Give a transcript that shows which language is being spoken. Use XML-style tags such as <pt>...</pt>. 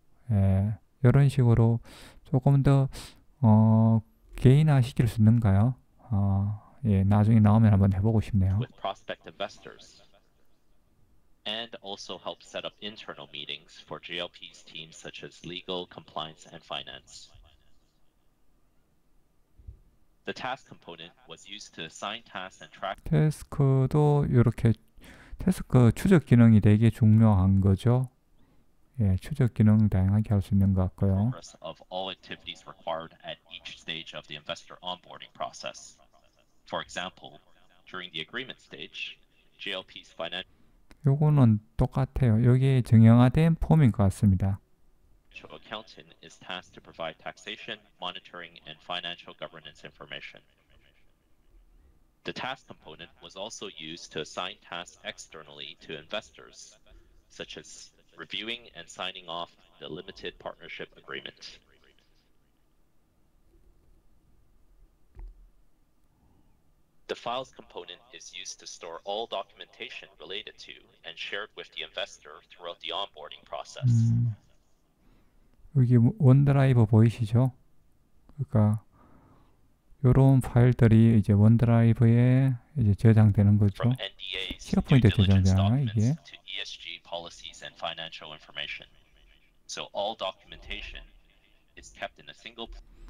<ko>예, 요런 식으로 조금 더 개인화 시킬 수 있는가요? 예, 나중에 나오면 한번 해보고 싶네요.</ko> <en>With prospect investors, and also help set up internal meetings for GLP's teams such as legal, compliance, and finance. The task component was used to assign tasks and track.</en> <ko>태스크도 이렇게 태스크 추적 기능이 되게 중요한 거죠. 예, 추적 기능 다양하게 할 수 있는 것 같고요.</ko> <en>Progress of all activities required at each stage of the investor onboarding process. For example, during the agreement stage, GLP's finance.</en> <ko>요거는 똑같아요. 여기에 정형화된 폼인 것 같습니다.</ko> <en>Financial accountant is tasked to provide taxation, monitoring, and financial governance information. The task component was also used to assign tasks externally to investors, such as reviewing and signing off the limited partnership agreement. 그 files component is used to store all documentation related to and shared with the investor throughout the onboarding process.</en> <ko>여기 원드라이브 보이시죠? 그러니까 요런 파일들이 이제 원드라이브에 이제 저장되는 거죠. 쉐어포인트에 저장되나 이게.</ko> <en>To ESG policies and financial information. So all documentation is kept in a single place.</en>